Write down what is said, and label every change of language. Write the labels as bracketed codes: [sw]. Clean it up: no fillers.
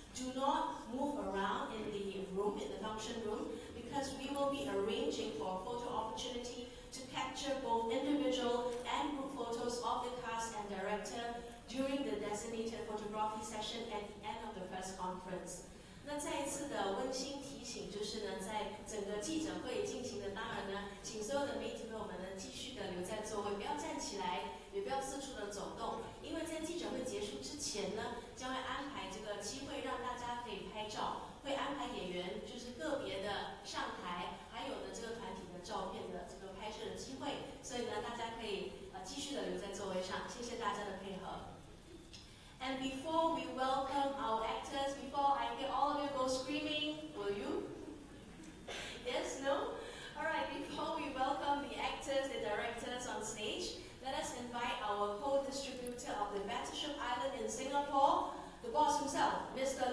[en] Do not move around in the room, in the function room,because we will be arranging for a photo opportunity to capture both individual and group photos of the cast and director during the designated photography session at the end of the press conference. [zh] 那再一次的温馨提醒就是呢，在整个记者会进行的当然呢，请所有的媒体朋友们呢继续的留在座位，不要站起来，也不要四处的走动，因为在记者会结束之前呢，将会安排这个机会让大家可以拍照。会安排演员就是个别的上台，还有呢这个团体的照片的这个拍摄的机会，所以呢大家可以继续的留在座位上，谢谢大家的配合。 [en] And before we welcome our actors, before I get all of you go screaming, will you? Yes, no? All right, before we welcome the actors and directors on stage, let us invite our co-distributor of the Battleship Island in Singapore, the boss himself, Mr.